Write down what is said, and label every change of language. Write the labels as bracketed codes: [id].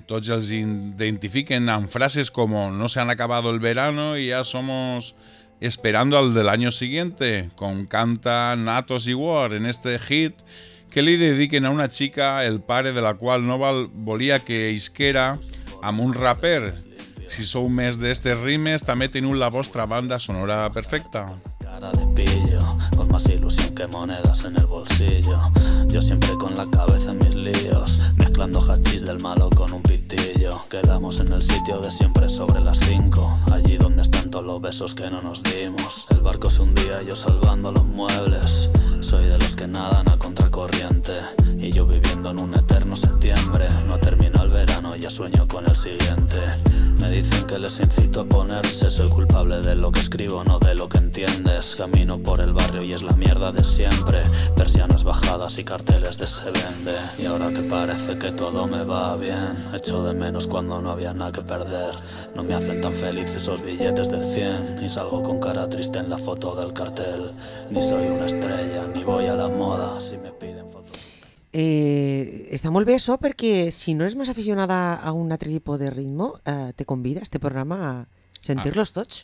[ca] Tots els identifiquen amb frases com [es] no se han acabado el verano y ya somos esperando al del año siguiente, [ca] com canta Natos i War en este hit que li dediquen a una xica, el pare de la qual no volia que isquera, amb un raper. Si sou més d'estes rimes, també teniu la vostra banda sonora perfecta. [es] Cara de pillo, con más ilusión que monedas en el bolsillo. Yo siempre con la cabeza en mis líos, mezclando hachís del malo con un pitillo. Quedamos en el sitio de siempre sobre las 5, allí donde están todos los besos que no nos dimos. El barco se hundía, yo salvando los muebles. Soy de los que nadan a contracorriente, y yo viviendo en un eterno septiembre. No ha terminado el verano, ya sueño con el siguiente. Me dicen que les incito a ponerse. Soy culpable de lo que escribo, no de lo que entiendes. Camino por el barrio y es la mierda de siempre. Persianas bajadas y carteles de se vende. Y ahora que parece que todo me va bien, echo de menos cuando no había nada que perder. No me hacen tan feliz esos billetes de 100 y salgo con cara triste en la foto del cartel. Ni soy una estrella, ni voy a la moda si me piden fotos. [ca] Està molt bé això, perquè si no és més aficionada a un altre tipus de ritme, te convida a este programa a sentir-los tots.